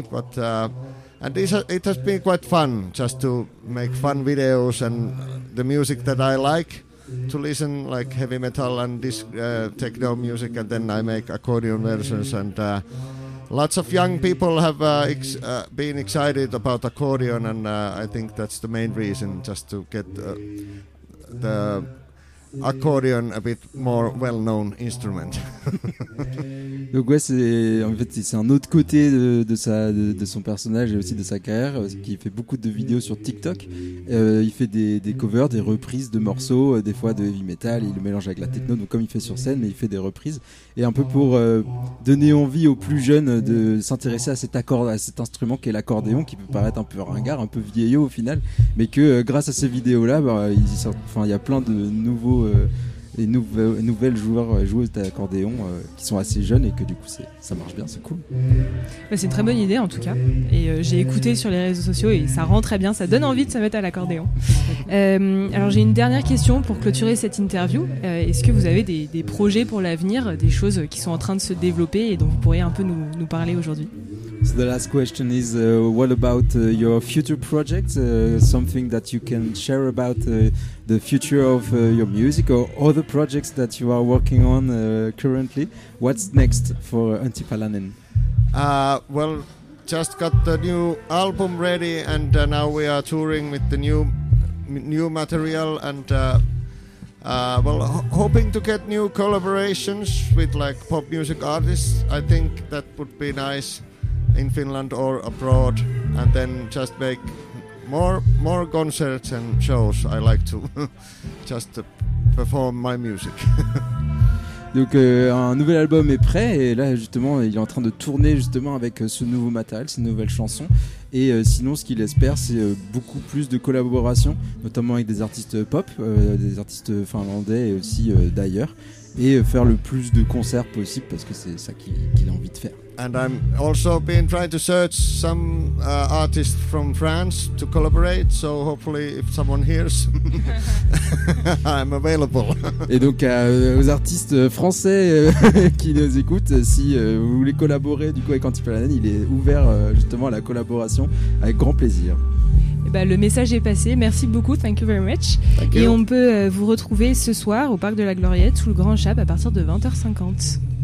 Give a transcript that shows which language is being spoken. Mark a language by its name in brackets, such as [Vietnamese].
[English] But it has been quite fun just to make fun videos and the music that I like to listen, like heavy metal and this techno music, and then I make accordion versions, and lots of young people have been excited about accordion, and I think that's the main reason, just to get the accordion a bit more well-known instrument. [French] Donc ouais, c'est un autre côté de son personnage et aussi de sa carrière, qui fait beaucoup de vidéos sur TikTok. Il fait des covers, des reprises de morceaux, des fois de heavy metal, il le mélange avec la techno, donc comme il fait sur scène, mais il fait des reprises. Et un peu pour donner envie aux plus jeunes de s'intéresser à cet instrument qu'est l'accordéon, qui peut paraître un peu ringard, un peu vieillot au final, mais que grâce à ces vidéos-là, il y a plein de nouveaux... nouvelles joueurs et joueuses d'accordéon qui sont assez jeunes et que du coup ça marche bien, c'est cool. Mais c'est une très bonne idée en tout cas, et j'ai écouté sur les réseaux sociaux et ça rend très bien, ça donne envie de se mettre à l'accordéon. Alors j'ai une dernière question pour clôturer cette interview, est-ce que vous avez des projets pour l'avenir, des choses qui sont en train de se développer et dont vous pourriez un peu nous parler aujourd'hui? [English] So the last question is what about your future project, something that you can share about the future of your music or other projects that you are working on currently? What's next for Antti Palanen? Well, just got the new album ready, and now we are touring with the new material, and hoping to get new collaborations with like pop music artists. I think that would be nice in Finland or abroad, and then just make more concerts and shows. I like to just perform my music. [French] Donc un nouvel album est prêt, et là justement il est en train de tourner justement avec ce nouveau matériel, ces nouvelles chansons, et sinon ce qu'il espère, c'est beaucoup plus de collaborations, notamment avec des artistes pop, des artistes finlandais et aussi d'ailleurs, et faire le plus de concerts possible, parce que c'est ça qu'il a envie de faire. [English] And I'm also been trying to search some artists from France to collaborate, so hopefully if someone hears, I'm available. [French] Et donc aux artistes français qui nous écoutent, si vous voulez collaborer du coup avec Antti Palanen, il est ouvert justement à la collaboration, avec grand plaisir. Bah, le message est passé, merci beaucoup, [English] thank you very much. Thank you. [French] Et on peut vous retrouver ce soir au Parc de la Gloriette sous le Grand Chap à partir de 20h50.